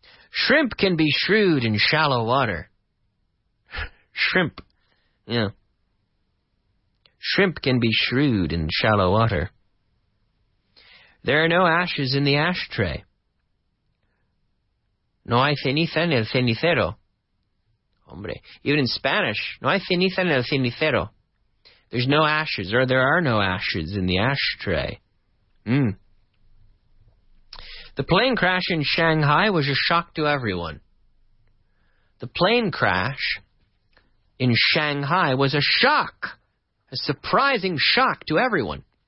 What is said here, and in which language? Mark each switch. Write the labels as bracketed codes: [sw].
[en] Shrimp can be shrewd in shallow water. Shrimp. Yeah. Shrimp can be shrewd in shallow water. There are no ashes in the ashtray. [es] No hay ceniza en el cenicero. Hombre. [en] Even in Spanish, [es] no hay ceniza en el cenicero. [en] There's no ashes, or there are no ashes in the ashtray. The plane crash in Shanghai was a shock to everyone. The plane crash in Shanghai was a shock, a surprising shock to everyone.